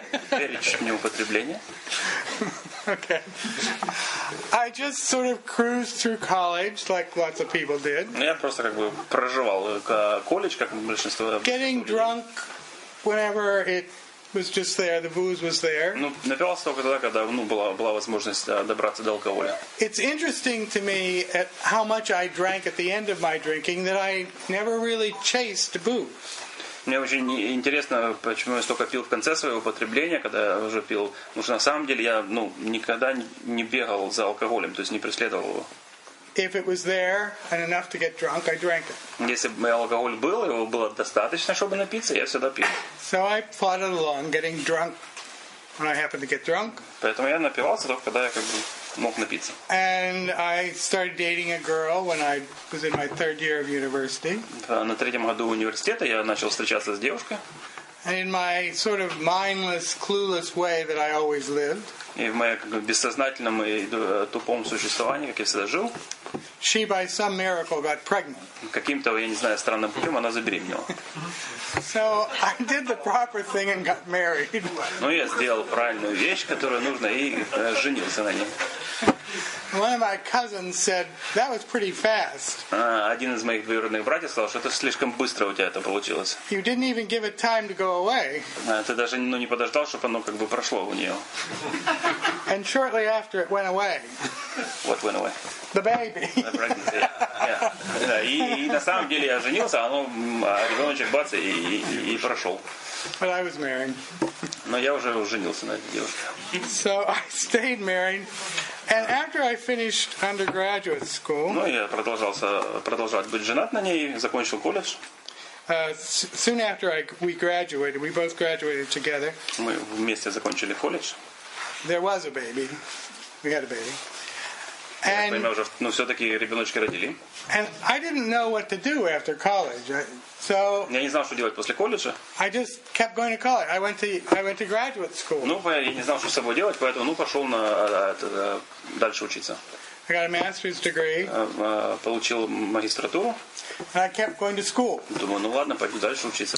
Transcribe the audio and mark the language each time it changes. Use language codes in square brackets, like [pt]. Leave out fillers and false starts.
[ru] Перечень неупотребления. [en] Okay. I just sort of cruised through college like lots of people did. [ru] Я просто как бы проживал колледж, как большинство. [en] Getting drunk. Whenever it was just there, the booze was there. [ru] Ну, напивался только тогда, когда была возможность добраться до алкоголя. [en] It's interesting to me at how much I drank at the end of my drinking that I never really chased booze. [ru] Мне очень интересно, почему я столько пил в конце своего употребления, когда я уже пил, потому что на самом деле я, ну, никогда не бегал за алкоголем, то есть не преследовал его. [en] If it was there and enough to get drunk, I drank it. [ru] Если бы алкоголь был, его было достаточно, чтобы напиться, я всегда пил. [en] So I plodded along, getting drunk when I happened to get drunk. [ru] Поэтому я напивался только когда я как бы мог напиться. [en] And I started dating a girl when I was in my third year of university. [ru] На третьем году университета я начал встречаться с девушкой. [en] And in my sort of mindless, clueless way that I always lived. [ru] И в моем как бы бессознательном и тупом существовании, как я всегда жил. [en] She by some miracle got pregnant. [ru] Каким-то, я не знаю, странным путем она забеременела. [en] So I did the proper thing and got married. [ru] Ну, я сделал правильную вещь, которую нужно, и женился на ней. [en] One of my cousins said that was pretty fast. [ru] Один из моих двоюродных братьев сказал, что это слишком быстро у тебя это получилось. [en] You didn't even give it time to go away. [ru] Ты даже не подождал, чтобы оно как бы прошло у нее. [en] And shortly after it went away. What went away? The baby. The pregnancy. Yeah. [ru] И на самом деле я женился, оно ребеночек бац и прошел. [en] But I was married. [ru] Но я уже женился на этой девушке. [en] So I stayed married. And after I finished undergraduate school, [ru] ну, я продолжал быть женат на ней, закончил колледж. [en] Soon after we graduated, we both graduated together. [ru] Мы вместе закончили колледж. [en] There was a baby. We had a baby. [ru] And, я понимаю, уже, ну, все-таки ребеночки родили. [en] And I didn't know what to do after college. So, [ru] я не знал, что делать после колледжа. [en] I just kept going to college. I went to graduate school. [ru] Ну, я не знал, что с собой делать, поэтому, ну, пошел на дальше учиться. [en] I got a master's degree. [ru] Получил магистратуру. [en] And I kept going to school. [ru] Думаю, ну ладно, пойду дальше учиться.